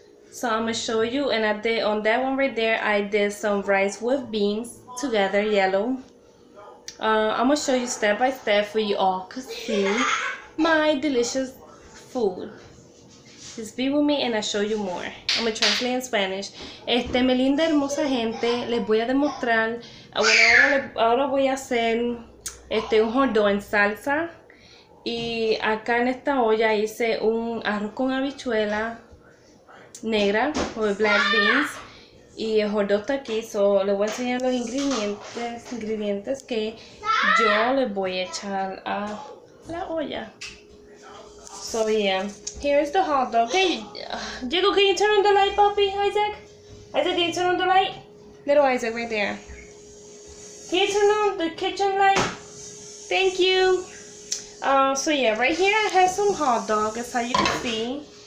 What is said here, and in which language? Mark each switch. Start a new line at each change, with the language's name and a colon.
English: So I'm gonna show you, and I did on that one right there, I did some rice with beans together, yellow. I'm gonna show you step by step for you all to see my delicious food. Just be with me and I'll show you more. I'm gonna translate in Spanish.
Spanish: Mi linda hermosa gente, les voy a demostrar. Bueno, ahora voy a hacer un hot dog en salsa. Y acá en esta olla hice un arroz con habichuela negra, o
English: black beans.
Spanish: Y el hot dog está aquí, so les voy a enseñar los ingredientes que yo les voy a echar a la olla.
English: So yeah, here's the hot dog. Hey, Diego, can you turn on the light, puppy? Isaac? Isaac, can you turn on the light? Little Isaac right there. Can you turn on the kitchen light? Thank you. So yeah, right here I have some hot dog, as you can see.